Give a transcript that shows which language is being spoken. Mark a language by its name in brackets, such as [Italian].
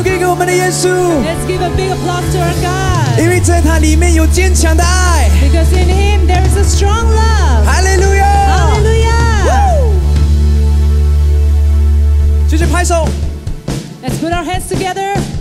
[English] Let's give a big applause to our God. [Chinese] 因为在他里面有坚强的爱. [English] Because in Him there is a strong love. Hallelujah! Hallelujah! Woo! [Chinese] 继续拍手. [English] Let's put our hands together.